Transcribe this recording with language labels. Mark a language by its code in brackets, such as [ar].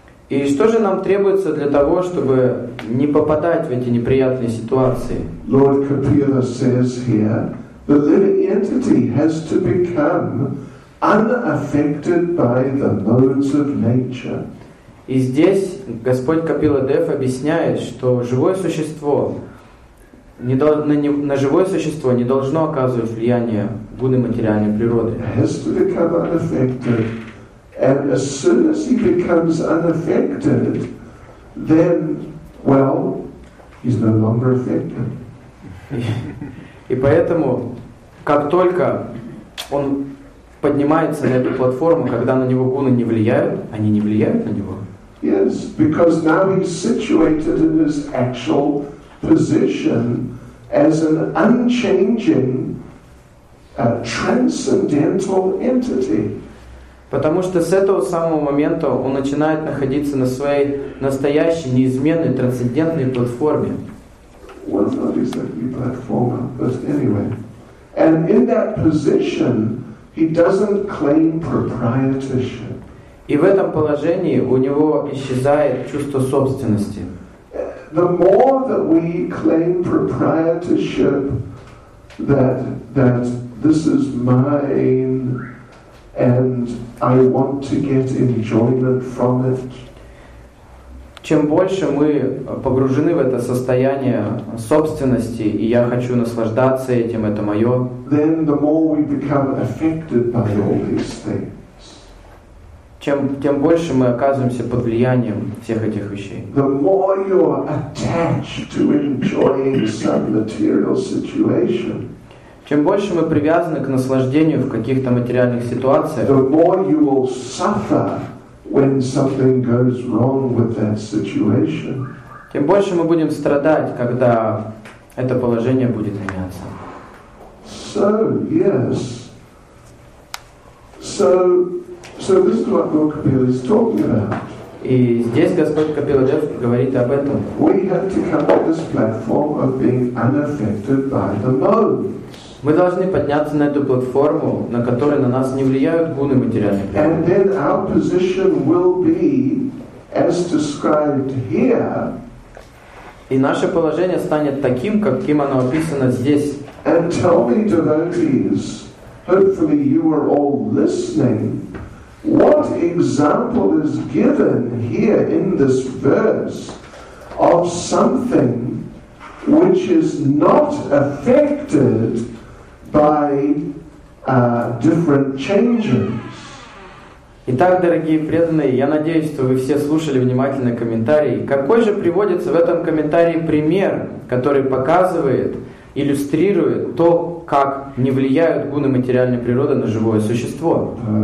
[ru] И что же нам требуется для того, чтобы не попадать в эти неприятные ситуации? [en] Lord Kapila says here, the living entity has to become unaffected by the modes of nature. [ru] И здесь Господь Капила Дев объясняет, что живое существо не дол- на живое существо не должно оказывать влияние гуны материальной природы. [en] Has to become unaffected, and as soon as he becomes unaffected, then, well, he's no longer affected. [ru] И поэтому, как только он поднимается на эту платформу, когда на него гуны не влияют, они не влияют на него. [en] Yes, because now he's situated in his actual position as an unchanging, transcendental entity. [ru] Потому что с этого самого момента он начинает находиться на своей настоящей, неизменной, трансцендентной платформе. [en] Well, not exactly platformer, but anyway. And in that position, he doesn't claim proprietorship. [ru] И в этом положении у него исчезает чувство собственности. [en] The more that we claim proprietorship, that this is mine and I want to get enjoyment from it. [ru] Чем больше мы погружены в это состояние собственности, и я хочу наслаждаться этим, это мое, [en] then the more we become affected by all these things. [ru] Тем больше мы оказываемся под влиянием всех этих вещей. [en] The more you are attached to enjoying some material situation. [ru] Чем больше мы привязаны к наслаждению в каких-то материальных ситуациях, [en] the more you will suffer when something goes wrong with that situation. [ru] Тем больше мы будем страдать, когда это положение будет меняться. [en] So, yes. So this is what Lord Kapila is talking about. [ru] И здесь Господь Капила Дев говорит об этом. [en] We have to come to this platform of being unaffected by the mode. [ru] Мы должны подняться на эту платформу, на которой на нас не влияют гуны материальные. [en] And then our position will be as described here. [ru] И наше положение станет таким, каким оно описано здесь. [en] And tell me, devotees, hopefully you are all listening, what example is given here in this verse of something which is not affected by different changes. [ru] Итак, дорогие преданные, я надеюсь, что вы все слушали внимательно комментарий. Какой же приводится в этом комментарии пример, который показывает, иллюстрирует то, как не влияют гуны материальной природы на живое существо?